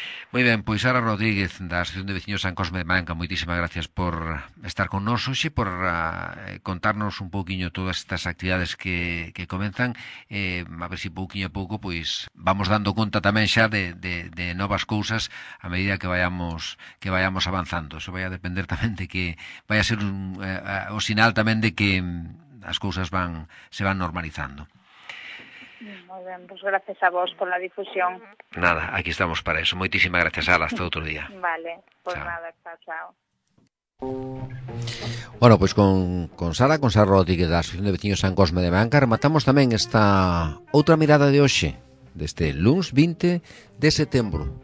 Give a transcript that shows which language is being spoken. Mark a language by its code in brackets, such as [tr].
[gl] Muy ben, pois Sara Rodríguez, da Asociación de Veciños San Cosme de Mayanca, moitísimas gracias por estar con nos hoxe, por contarnos un pouquiño todas estas actividades que comenzan, a ver si pouquiño a pouco pois vamos dando conta tamén xa de novas cousas a medida que vayamos avanzando. Eso vai a depender tamén de que vai a ser o sinal tamén de que as cousas se van normalizando. [es] Muy bien, pues gracias a vos por la difusión. Nada, aquí estamos para eso. Muchísimas gracias, Ala. Hasta otro día. Vale, pues chao. Nada, chao. [gl] Bueno, pois con Sara Rodríguez da Asociación de Veciños San Cosme de Mayanca, rematamos tamén esta outra mirada de hoxe, deste luns 20 de setembro.